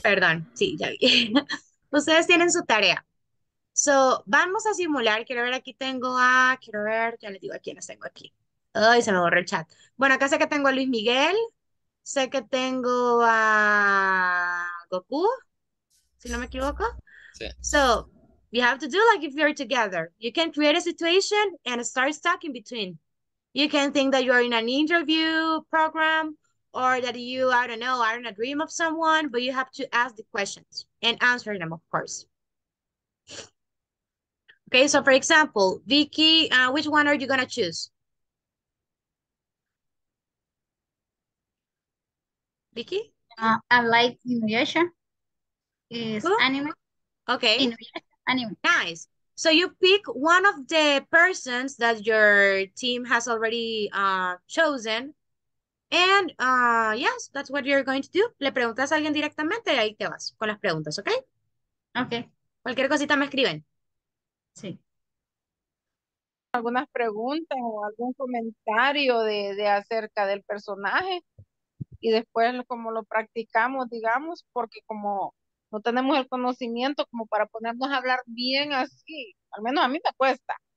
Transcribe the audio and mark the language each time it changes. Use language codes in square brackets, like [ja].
[es] Perdón, sí, ya vi. Ustedes tienen su tarea. So, vamos a simular, quiero ver, aquí tengo a, quiero ver, ya les digo a quiénes tengo aquí. Ay, se me borró el chat. Bueno, acá sé que tengo a Luis Miguel. Sé que tengo a Goku, si no me equivoco. Sí. [en] So, you have to do like if you're together. You can create a situation and start talking between. You can think that you're in an interview program or that you, I don't know, are in a dream of someone, but you have to ask the questions and answer them, of course. Okay, so for example, Vicky, which one are you going to choose? Vicky? I like Inuyasha. It's cool. Anime. Okay. Inuyasha, anime. Nice. So you pick one of the persons that your team has already chosen. And yes, that's what you're going to do. [es] Le preguntas a alguien directamente y ahí te vas con las preguntas, okay? Okay. Cualquier cosita me escriben. Sí. ¿Algunas preguntas o algún comentario de acerca del personaje? Y después, como lo practicamos, digamos, porque como no tenemos el conocimiento como para ponernos a hablar bien así, al menos a mí me cuesta.